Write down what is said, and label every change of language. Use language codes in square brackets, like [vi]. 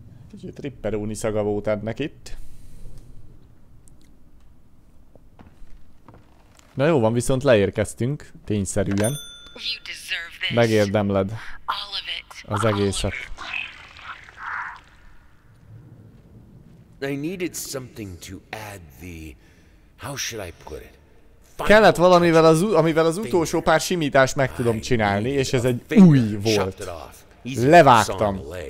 [hu] Kicsit ripperúni szaga volt ennek itt. Na jó van, viszont leérkeztünk, tényszerűen. Megérdemled az egészet. [en] I needed something to add the, how should I put it? [hu] Kellett valamivel az, amivel az utolsó pár simítást meg tudom csinálni, és ez egy új volt. Levágtam.